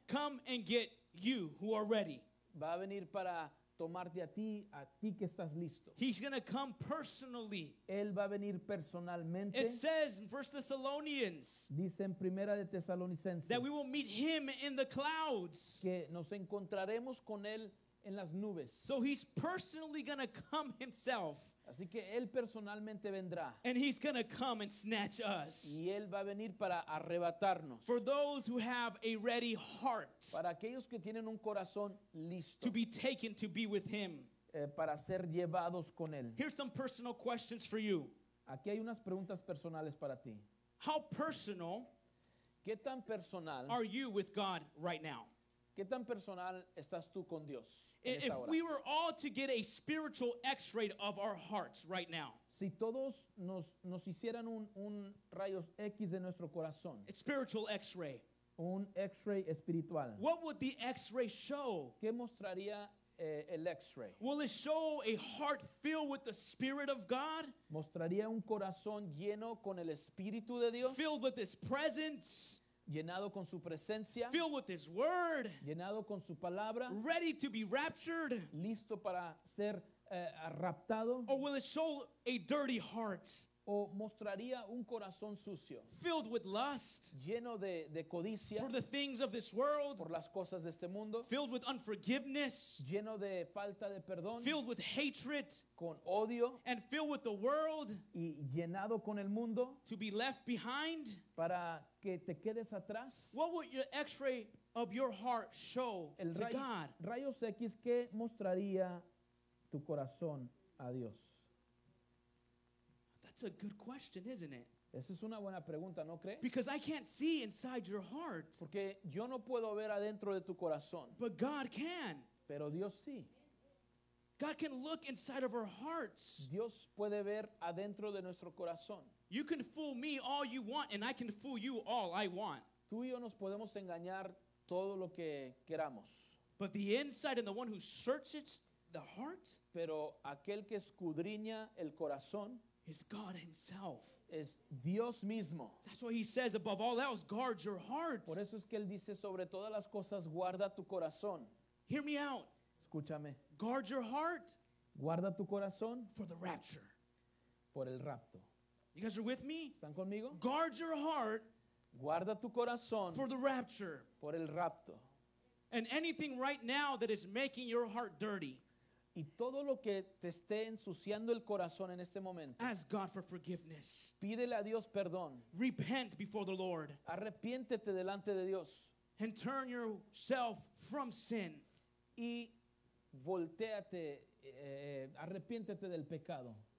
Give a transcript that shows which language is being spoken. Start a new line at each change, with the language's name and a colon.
English: Come and get you who are ready.
Spanish: Va a venir para tomarte a ti que estás listo.
English: He's going to come personally.
Spanish: Él va a venir personalmente.
English: It says in 1 Thessalonians.
Spanish: Dice en Primera de Tesalonicenses.
English: That we will meet him in the clouds.
Spanish: Que nos encontraremos con él en las nubes.
English: So he's personally going to come himself.
Spanish: Así que él personalmente vendrá.
English: And he's going to come and snatch us.
Spanish: Y él va a venir para arrebatarnos.
English: For those who have a ready heart.
Spanish: Para aquellos que tienen un corazón listo.
English: To be taken to be with him.
Spanish: Para ser llevados con él.
English: Here's some personal questions for you.
Spanish: Aquí hay unas preguntas personales para ti.
English: How personal?
Spanish: ¿Qué tan personal?
English: Are you with God right now?
Spanish: ¿Qué tan personal estás tú con Dios en
English: if
Spanish: esta hora?
English: We were all to get a spiritual x-ray of our hearts right now.
Spanish: Si todos nos hicieran un rayos X de nuestro corazón.
English: A spiritual x-ray.
Spanish: Un x-ray espiritual.
English: What would the x-ray show?
Spanish: ¿Qué mostraría el x-ray?
English: Will it show a heart filled with the Spirit of God?
Spanish: ¿Mostraría un corazón lleno con el Espíritu de Dios?
English: Filled with His presence.
Spanish: Llenado con su presencia.
English: Filled with his word.
Spanish: Llenado con su palabra.
English: Ready to be raptured.
Spanish: Listo para ser raptado.
English: Or will it show a dirty heart?
Spanish: O mostraría un corazón sucio.
English: Filled with lust.
Spanish: Lleno de codicia.
English: For the things of this world.
Spanish: Por las cosas de este mundo.
English: Filled with unforgiveness.
Spanish: Lleno de falta de perdón.
English: Filled with hatred.
Spanish: Con odio.
English: And filled with the world.
Spanish: Y llenado con el mundo.
English: To be left behind.
Spanish: Para que te quedes atrás.
English: What would your x-ray of your heart show to God?
Spanish: Rayos X, ¿qué mostraría tu corazón a Dios?
English: It's a good question, isn't it?
Spanish: Esa es una buena pregunta, ¿no crees?
English: Because I can't see inside your heart.
Spanish: Porque yo no puedo ver adentro de tu corazón.
English: But God can.
Spanish: Pero Dios sí.
English: God can look inside of our hearts.
Spanish: Dios puede ver adentro de nuestro corazón.
English: You can fool me all you want, and I can fool you all I want.
Spanish: Tú y yo nos podemos engañar todo lo que queramos.
English: But the inside and the one who searches the heart,
Spanish: pero aquel que escudriña el corazón,
English: is God himself.
Spanish: Es Dios mismo.
English: That's why he says above all else, guard your heart.
Spanish: Por eso es que él dice sobre todas las cosas, guarda tu corazón.
English: Hear me out.
Spanish: Escúchame.
English: Guard your heart.
Spanish: Guarda tu corazón.
English: For the rapture.
Spanish: Por el rapto.
English: You guys are with me?
Spanish: ¿Están conmigo?
English: Guard your heart.
Spanish: Guarda tu corazón.
English: For the rapture.
Spanish: Por el rapto.
English: And anything right now that is making your heart dirty.
Spanish: Y todo lo que te esté ensuciando el corazón en este momento.
English: Ask God for forgiveness.
Spanish: Pídele a Dios perdón.
English: Repent before the Lord.
Spanish: Arrepiéntete delante de Dios.
English: And turn yourself from sin.
Spanish: Y voltéate, arrepiéntete del pecado.